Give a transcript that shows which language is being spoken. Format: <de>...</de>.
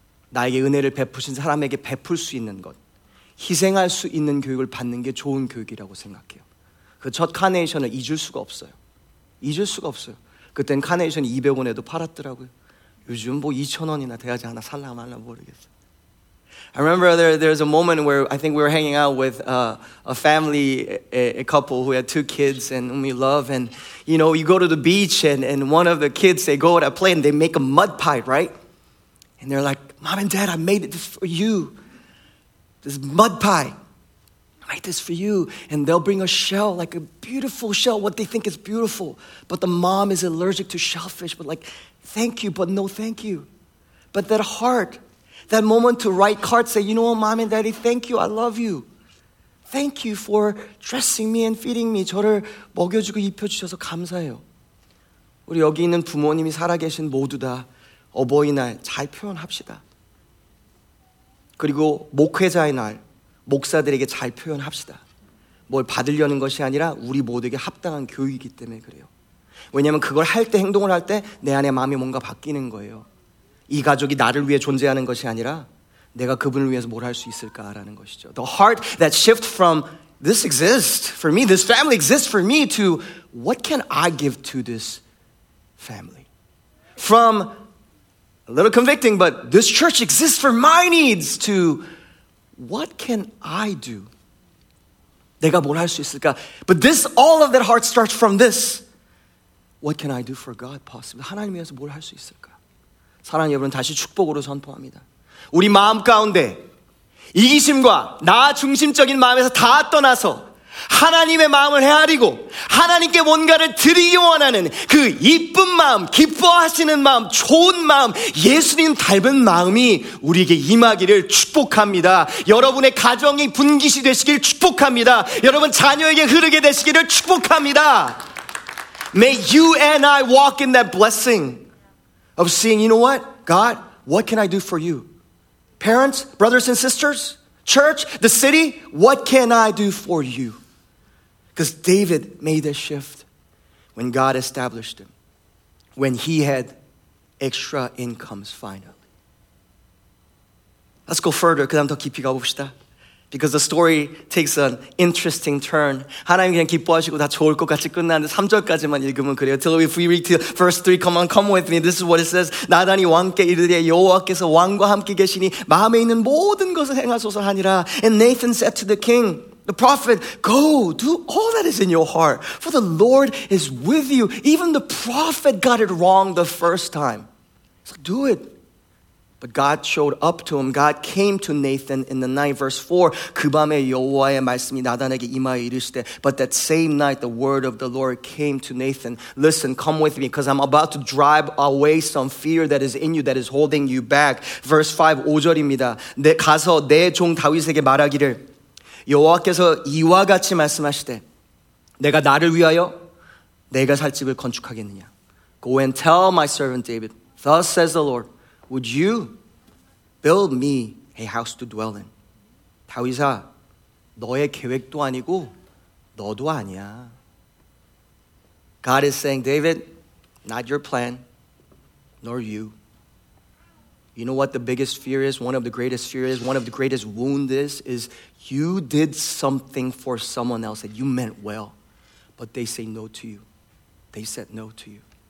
<ko>나에게 은혜를 베푸신 사람에게 베풀 수 있는 것, 희생할 수 있는 교육을 받는 게 좋은 교육이라고 생각해요. 그 첫 카네이션을 잊을 수가 없어요. 잊을 수가 없어요. 그땐 카네이션이 200원에도 팔았더라고요. 요즘 뭐 2,000원이나 돼야지 하나 살라 말라 모르겠어요.</ko> <en>I remember there's a moment where I think we were hanging out with a couple who had two kids and whom we love. And, you know, you go to the beach and one of the kids, they go out and play and they make a mud pie, right? And they're like, Mom and Dad, I made this for you. This mud pie. I made this for you. And they'll bring a shell, like a beautiful shell, what they think is beautiful. But the mom is allergic to shellfish. But like, thank you, but no thank you. But that heart... That moment to write cards, say, you know what, Mom and Daddy, thank you, I love you. Thank you for dressing me and feeding me.</en> <ko>저를 먹여주고 입혀주셔서 감사해요. 우리 여기 있는 부모님이 살아계신 모두 다 어버이날 잘 표현합시다. 그리고 목회자의 날, 목사들에게 잘 표현합시다. 뭘 받으려는 것이 아니라 우리 모두에게 합당한 교육이기 때문에 그래요. 왜냐하면 그걸 할 때, 행동을 할 때 내 안에 마음이 뭔가 바뀌는 거예요. 이 가족이 나를 위해 존재하는 것이 아니라 내가 그분을 위해서 뭘 할 수 있을까라는 것이죠.</ko> <en>The heart that shifts from this exists for me, this family exists for me to what can I give to this family? From a little convicting, but this church exists for my needs to what can I do?</en> <ko>내가 뭘 할 수 있을까?</ko> <en>But this, all of that heart starts from this. What can I do for God possibly?</en> <ko>하나님 위해서 뭘 할 수 있을까? 사랑 여러분 다시 축복으로 선포합니다. 우리 마음 가운데 이기심과 나 중심적인 마음에서 다 떠나서 하나님의 마음을 헤아리고 하나님께 뭔가를 드리기 원하는 그 이쁜 마음, 기뻐하시는 마음, 좋은 마음, 예수님 닮은 마음이 우리에게 임하기를 축복합니다. 여러분의 가정이 분깃이 되시길 축복합니다. 여러분 자녀에게 흐르게 되시기를 축복합니다.</ko> <en>May you and I walk in that blessing. Of seeing, you know what? God, what can I do for you? Parents, brothers and sisters, church, the city, what can I do for you? Because David made a shift when God established him, when he had extra incomes finally. Let's go further,</en> <ko>그 다음 더 깊이 가봅시다.</ko> <en>Because the story takes an interesting turn.</en> <ko>하나님 그냥 기뻐하시고 다 좋을 것 같이 끝났는데 3절까지만 읽으면 그래요.</ko> <en>Till if we read to verse 3, come on, come with me. This is what it says.</en> <ko>나단이 왕께 이르되 여호와께서 왕과 함께 계시니 마음에 있는 모든 것을 행하소서 하니라.</ko> <en>And Nathan said to the king, the prophet, go, do all that is in your heart. For the Lord is with you. Even the prophet got it wrong the first time. So do it. But God showed up to him. God came to Nathan in the night. Verse 4,</en> <ko>그 밤에 여호와의 말씀이 나단에게 임하여 이르시되</ko> <en>But that same night, the word of the Lord came to Nathan. Listen, come with me, because I'm about to drive away some fear that is in you, that is holding you back. Verse 5, 5절입니다.</en> <ko>가서 내 종 다윗에게 말하기를 여호와께서 이와 같이 말씀하시되 내가 나를 위하여 내가 살 집을 건축하겠느냐.</ko> <en>Go and tell my servant David, thus says the Lord, Would you build me a house to dwell in?</en> <ko>다윗아, 너의 계획도 아니고 너도 아니야.</ko> <en>God is saying, David, not your plan, nor you. You know what the biggest fear is? One of the greatest fears, one of the greatest wounds is you did something for someone else that you meant well, but they say no to you. They said no to you.</en>